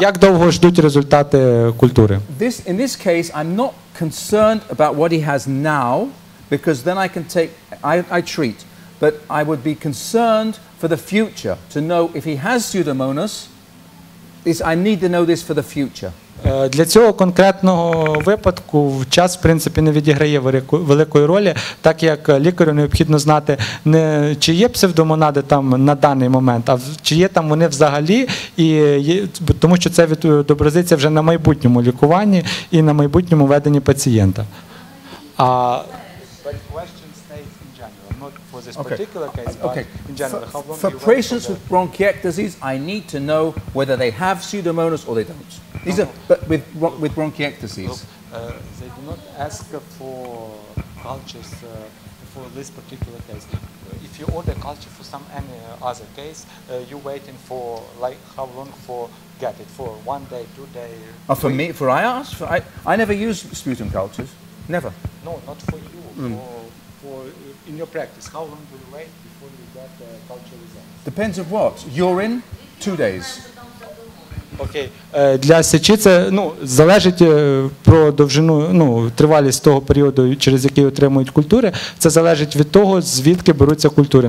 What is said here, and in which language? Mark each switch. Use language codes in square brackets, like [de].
[uk] Як довго ждуть результати культури? [en] In this case, I'm not concerned about what he has now, because then I can take, I treat. But I would be concerned for the future, to know if he has pseudomonas, I need to know this for the future. [uk] Для цього конкретного випадку час, в принципі, не відіграє великої ролі, так як лікарю необхідно знати, не чи є псевдомонади там на даний момент, а чи є там вони взагалі, і є, тому що це відобразиться вже на майбутньому лікуванні і на майбутньому веденні пацієнта. А... [en] But question stays in general, not for this particular case, but in general. For patients with bronchiectasis, I need to know whether they have pseudomonas or they don't. These are with bronchiectasis. They do not ask for cultures for this particular case. If you order culture for some any other case, you waiting for like how long for get it for 1 day, 2 day. For me, for I ask, for I never use sputum cultures, never. No, not for you. For in your practice, how long do you wait before you get the culture results? Depends of what? Urine, 2 days. [uk] Окей, для сечі це, ну, залежить про довжину, ну, тривалість того періоду, через який отримують культури, це залежить від того, звідки беруться культури.